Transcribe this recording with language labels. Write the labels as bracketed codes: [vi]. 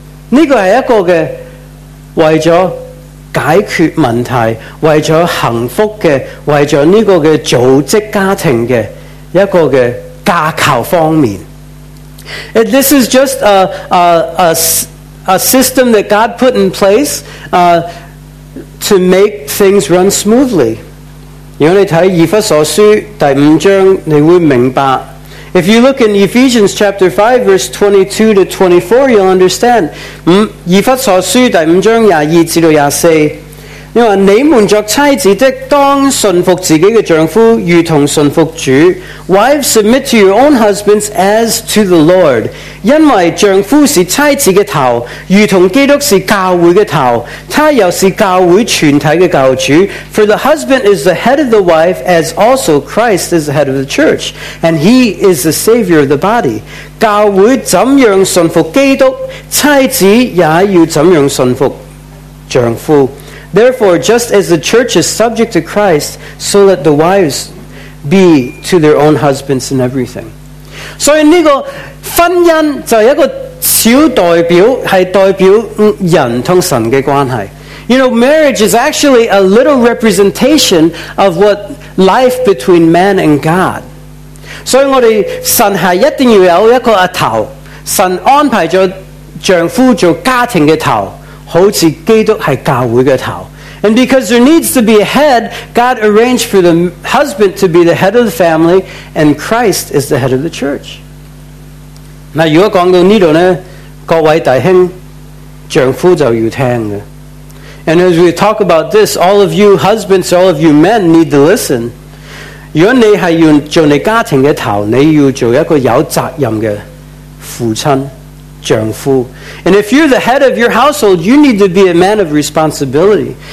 [zh] 这个是一个的为了解决问题，为了幸福的，为了这个的组织家庭的一个的架构方面。 [en] And this is just a system that God put in place to make things run smoothly. [zh] 如果你睇以弗所书第五章，你会明白。 [en] If you look in Ephesians chapter 5, verse 22 to 24, you'll understand. [zh] 以弗所书第五章廿二至到廿四。因为你们作妻子的当顺服自己的丈夫如同顺服主 [en] Wives submit to your own husbands as to the Lord [zh] 因为丈夫是妻子的头如同基督是教会的头他又是教会全体的教主 [en] For the husband is the head of the wife as also Christ is the head of the church and he is the savior of the body [zh] 教会怎样顺服基督妻子也要怎样顺服丈夫 [en] Therefore, just as the church is subject to Christ, so let the wives be to their own husbands in everything. So, in this [zh] 婚姻就是一个小代表，是代表人同神的关系。 [en] You know, marriage is actually a little representation of what life between man and God. [zh] So, 我们神是一定要有一个头，神安排了丈夫做家庭的头。好似基督是教会的头 [en] And because there needs to be a head God arranged for the husband to be the head of the family And Christ is the head of the church [zh] 那如果讲到这里呢各位弟兄丈夫就要听的 [en] And as we talk about this All of you husbands, all of you men need to listen [zh] 如果你是要做你家庭的头你要做一个有责任的父亲丈夫 [en] And if you're the head of your household, you need to be a man of responsibility.